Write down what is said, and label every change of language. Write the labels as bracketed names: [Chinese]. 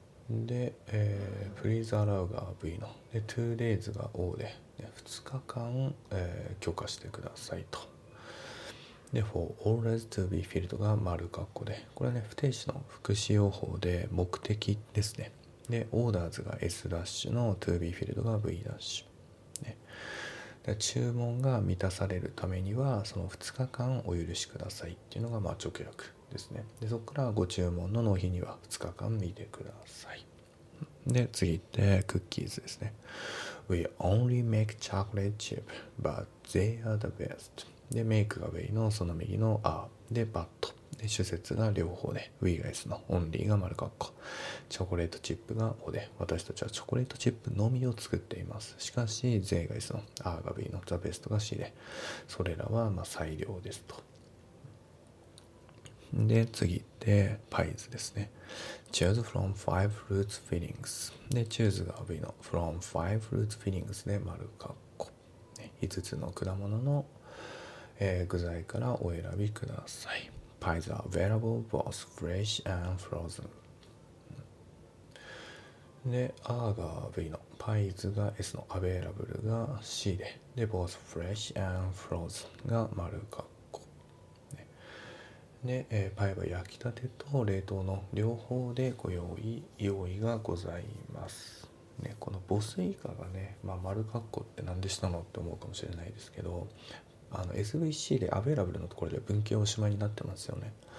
[Japanese] で、 [English] Please allow [Japanese] が V ので、 2 days が O で、2日間、許可してくださいと。で、 [English] for orders to be filled [Japanese] が丸括弧で、これはね、不定詞の副詞用法で目的ですね。で、orders が S' の to be filled が V' ね。で、注文が満たされるためにはその2日間お許しくださいっていうのが、まあ、直訳ですね。で、そこからご注文の納品には2日間見てください。で、次行って、クッキーズですね。 [English] We only make chocolate chip, but they are the best. [Japanese] で、make が V の、その右の R で、but。で、主節が両方で、We が S の、only が丸括弧。チョコレートチップが O で、私たちはチョコレートチップのみを作っています。しかし、they が S の、R が V の、the best が C で、それらは、まあ、最良ですと。で、次行って、パイズですね。 [English] Choose from 5 fruit fillings. で、choose が V の from 5 fruit fillings で丸括弧。 [Japanese] 5つの果物の、具材からお選びください。 [English] Pies are available both fresh and frozen. [Japanese] で、R が V の Pies が S の available が C で、で、 [English] both fresh and frozen [Japanese] が丸括弧。で、パイは焼きたてと冷凍の両方でご用意がございます、ね、このボス以下がね、まあ、丸括弧って何でしたのって思うかもしれないですけど、 SVC でアベラブルのところで分岐おしまいになってますよね。